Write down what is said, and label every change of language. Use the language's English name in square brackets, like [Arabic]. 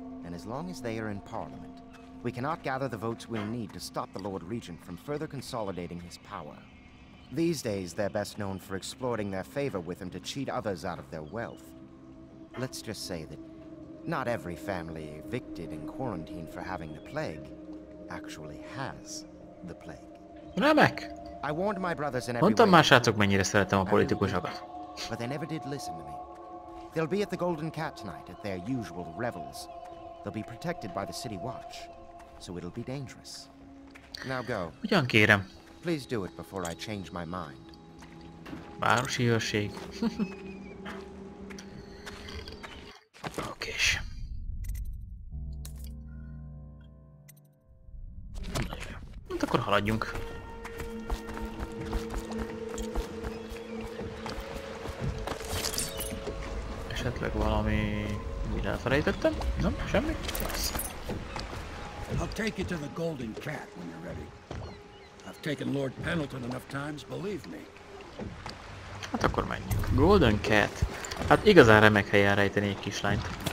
[English] And as long as they are in Parliament, we cannot gather the votes we'll need to stop the Lord Regent from further consolidating his power. These days, they're best known for exploiting their favor with him to cheat others out of their wealth. Let's just say that not every family evicted and quarantined for having the plague actually has the plague. [Hungarian] Remek! [English] I warned my brothers in every way. [Hungarian] Mondtam, mennyire szeretem a politikusokat. [English] But they never did listen to me. They'll be at the Golden Cat tonight at their usual revels. They'll be protected by the city watch. So it'll be dangerous. Now go. [Hungarian] Ugyan kérem. [English] Please do it before I change my mind. [Hungarian] Városi őrség. Okés. Hát akkor haladjunk. Esetleg valami... Mit elfelejtettem? Nem? Semmi? Lesz. [English] I'll take you to the Golden Cat when you're ready. I've taken Lord Pendleton enough times, believe me. [Hungarian] Hát akkor menjünk. Golden Cat. Hát igazán remek helyen rejteni egy kislányt.